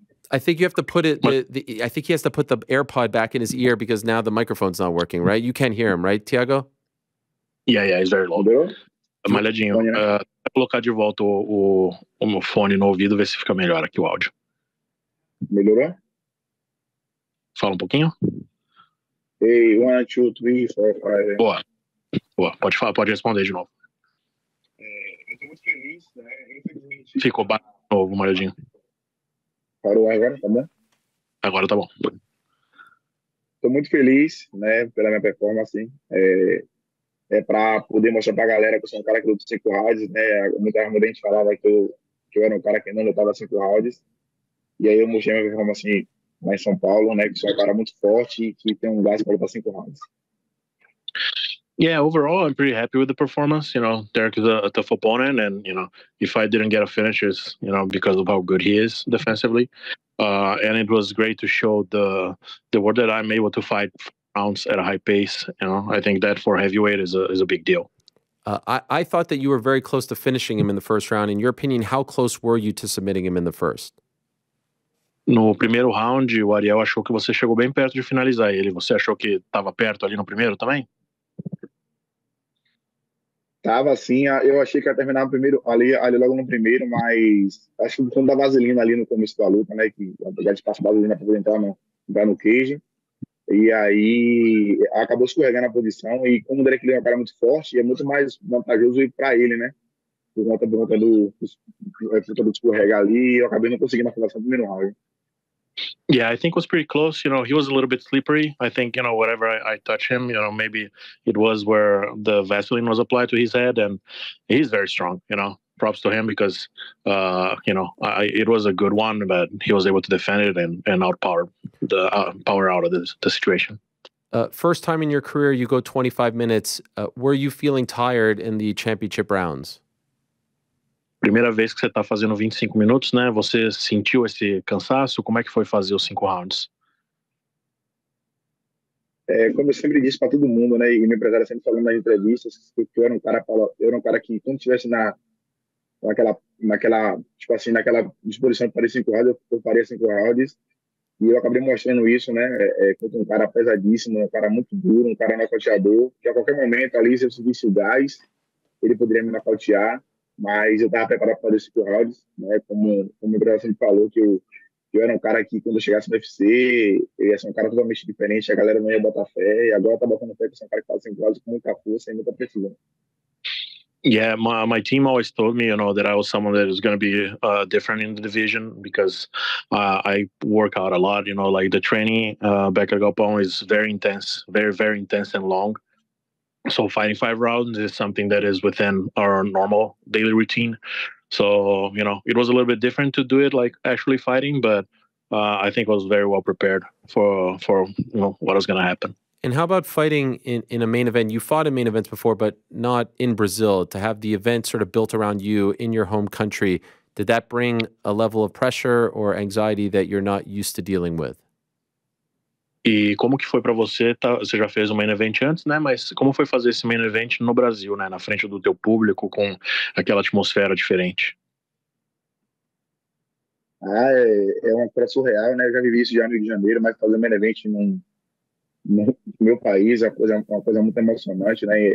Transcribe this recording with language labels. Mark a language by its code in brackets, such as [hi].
[en] I think you have to put it, I think he has to put the AirPod back in his ear because now the microphone's not working, right? You can't hear him, right, Tiago? Yeah, it's very low. [pt] Malhadinho, vou colocar de volta o meu fone no ouvido, ver se fica melhor aqui o áudio. Melhorou? Fala um pouquinho. [en] Hey, 1, 2, 3, 4, 5. [pt] Boa. Boa, pode falar, pode responder de novo. Eu tô muito feliz, né? Infelizmente. Ficou baixo de novo, Malhadinho. Parou agora, tá bom? Agora tá bom. Tô muito feliz, né, pela minha performance, hein? É para poder mostrar para a galera que eu sou um cara que luta 5 rounds, né? Muita gente falava que eu era um cara que não lutava 5 rounds. E aí eu mostrei minha performance assim, lá em São Paulo, né? Que sou um cara muito forte e que tem um gás para lutar 5 rounds. [en] Yeah, overall, I'm pretty happy with the performance. You know, Derrick is a tough opponent. And, you know, if I didn't get a finish, it's, you know, because of how good he is defensively. And it was great to show the world that I'm able to fight rounds at a high pace. You know, I think that for heavyweight is a big deal. I thought that you were very close to finishing him in the first round. In your opinion, how close were you to submitting him in the first? [pt] No primeiro round, o Ariel achou que você chegou bem perto de finalizar ele. Você achou que estava perto ali no primeiro também? Tava sim, eu achei que ia terminar no primeiro ali logo no primeiro, mas acho que quando dá vaselina ali no começo da luta, né, que a gente passa vaselina para poder entrar no cage. E aí acabou escorregando a posição, e como o Derrick Lewis é um cara muito forte, é muito mais vantajoso ir para ele, né? Por conta do escorregar ali, eu acabei não conseguindo a finalização no primeiro round. [en] Yeah, I think it was pretty close. You know, he was a little bit slippery. I think, you know, whatever I touch him, you know, maybe it was where the Vaseline was applied to his head, and he's very strong, you know. Props to him because, you know, it was a good one, but he was able to defend it and outpower out of the situation. First time in your career, you go 25 minutes. Were you feeling tired in the championship rounds? [pt] Primeira vez que você está fazendo 25 minutos, né? Você sentiu esse cansaço? Como é que foi fazer os 5 rounds? É, como eu sempre disse para todo mundo, né? E meu empresário sempre falando nas entrevistas, que eu era um cara que quando estivesse naquela disposição para 5 rounds, eu faria 5 rounds. E eu acabei mostrando isso, né? Contra um cara pesadíssimo, um cara muito duro, um cara nocauteador, que a qualquer momento ali, se eu sentisse o gás, ele poderia me nocautear. Mas eu estava preparado para fazer 5 rounds, né? Como o Brasil sempre falou, que eu era um cara que quando eu chegasse no UFC, eu ia ser um cara totalmente diferente, a galera não ia botar fé, e agora tá botando fé, que sou um cara que faz 5 rounds com muita força e muita precisão. [en] Yeah, my team always told me, you know, that I was someone that is going to be different in the division because I work out a lot, you know, like the training back at Galpão is very intense, very, very intense and long. So fighting 5 rounds is something that is within our normal daily routine. So, you know, it was a little bit different to do it like actually fighting, but I think I was very well prepared for you know, what was going to happen. And how about fighting in a main event? You fought in main events before, but not in Brazil. To have the event sort of built around you in your home country, did that bring a level of pressure or anxiety that you're not used to dealing with? [pt] E como que foi para você? Você já fez um main event antes, né? Mas como foi fazer esse main event no Brasil, né? Na frente do teu público, com aquela atmosfera diferente? Ah, é uma coisa surreal, né? Eu já vivi isso já no Rio de Janeiro, mas fazer um evento no meu país é uma coisa muito emocionante, né?